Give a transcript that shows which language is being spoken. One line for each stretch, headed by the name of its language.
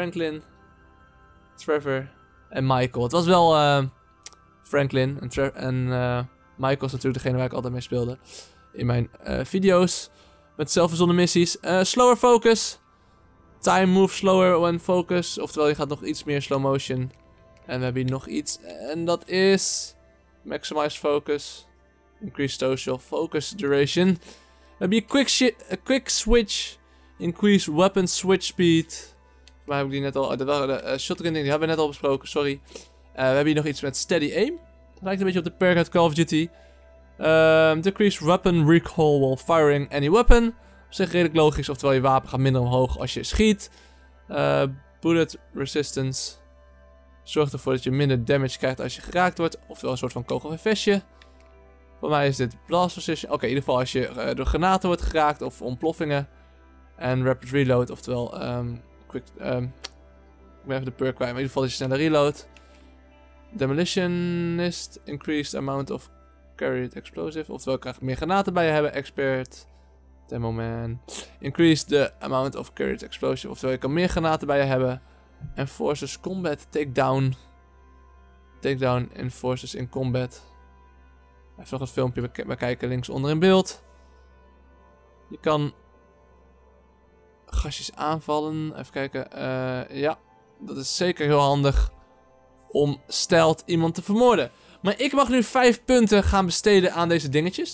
Dutch: Franklin, Trevor en Michael. Het was wel Franklin en Michael is natuurlijk degene waar ik altijd mee speelde. In mijn video's met zelfverzonnen missies.
English: Slower focus. Time moves slower when focus.
Dutch: Oftewel, je gaat nog iets meer slow motion. En we hebben hier nog iets. En dat is...
English: Maximize focus. Increase social focus duration.
Dutch: We hebben hier
English: quick switch... Increase weapon switch speed.
Dutch: Waar heb ik die net al... shotgun ding, die hebben we net al besproken, sorry. We hebben hier nog iets met steady aim. Lijkt een beetje op de perk uit Call of Duty.
English: Decrease weapon recoil while firing any weapon.
Dutch: Op zich redelijk logisch, oftewel je wapen gaat minder omhoog als je schiet.
English: Bullet resistance.
Dutch: Zorgt ervoor dat je minder damage krijgt als je geraakt wordt. Oftewel een soort van kogelvestje. Voor mij is dit
English: blast precision.
Dutch: Oké, in ieder geval als je door granaten wordt geraakt of ontploffingen. En
English: rapid reload,
Dutch: oftewel quick. Ik ben even de perk kwijt, maar in ieder geval is je sneller reload.
English: Demolitionist, increased amount of carried explosive.
Dutch: Oftewel krijg ik meer granaten bij je hebben, expert.
English: Demo man. Increased the amount of carried explosive.
Dutch: Oftewel je kan meer granaten bij je hebben.
English: Enforcers combat, takedown. Takedown, enforcers in combat.
Dutch: Even nog het filmpje bekijken linksonder in beeld. Je kan. Gastjes aanvallen. Even kijken. Ja, dat is zeker heel handig. Om stealth iemand te vermoorden. Maar ik mag nu 5 punten gaan besteden aan deze dingetjes.